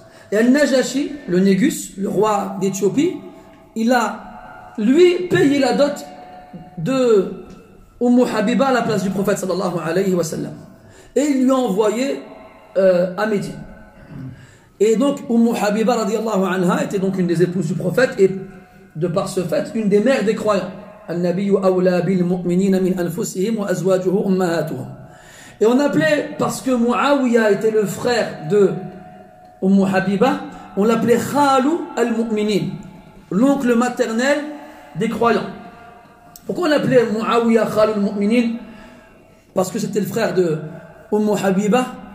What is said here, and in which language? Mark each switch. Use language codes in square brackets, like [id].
[fr] Et Al-Najashi, le Négus, le roi d'Éthiopie, il a, lui, payé la dot de Umm Habiba à la place du prophète, [ar] sallallahu alayhi wa sallam. [fr] Et il lui a envoyé à Médine. Et donc, Umm Habiba, [ar] radiallahu anha, [fr] était donc une des épouses du prophète et, de par ce fait, une des mères des croyants. [ar] النبي أولى بالمؤمنين من أنفسهم وأزواجه أمهاتهم. [fr] Et on appelait, parce que Muawiyah était le frère de Umm Habiba, on l'appelait Khalu al-Mu'minin, l'oncle maternel des croyants. Pourquoi on l'appelait Muawiyah Khalu al-Mu'minin? Parce que c'était le frère de Umm Habiba.